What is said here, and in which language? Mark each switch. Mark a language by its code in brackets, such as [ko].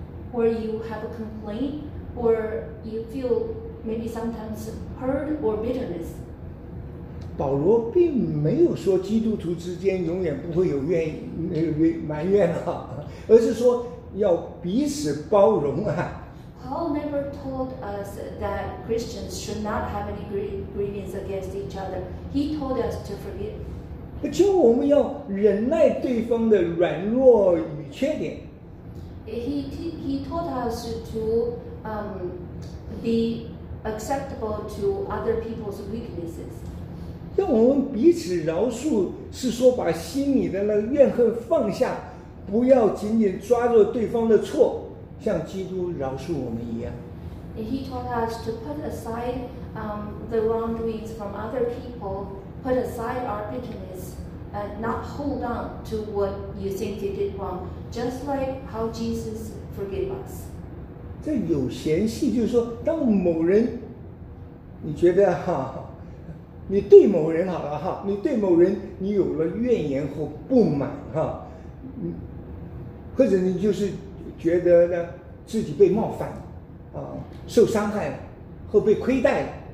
[en] Or you have a complaint, or you feel maybe sometimes hurt or bitterness. [zh] 保罗并没有说基督徒之间永远不会有怨埋怨啊，而是说要彼此包容啊。 [en] Paul never told us that Christians should not have any grievance against each other. He told us to forgive. [zh] 就我们要忍耐对方的软弱与缺点。 [en] He taught us to be acceptable to other people's weaknesses. [zh] 让我们彼此饶恕，是说把心里的那怨恨放下，不要紧紧抓住对方的错，像基督饶恕我们一样。 [en] He taught us to put aside the wrongdoings from other people, put aside our bitterness. Not hold on to what you think they did wrong, just like how Jesus forgave us. [zh] 这有嫌隙就是说，当某人，你觉得哈，你对某人好了哈，你对某人你有了怨言或不满哈，或者你就是觉得呢自己被冒犯，受伤害了，或被亏待了。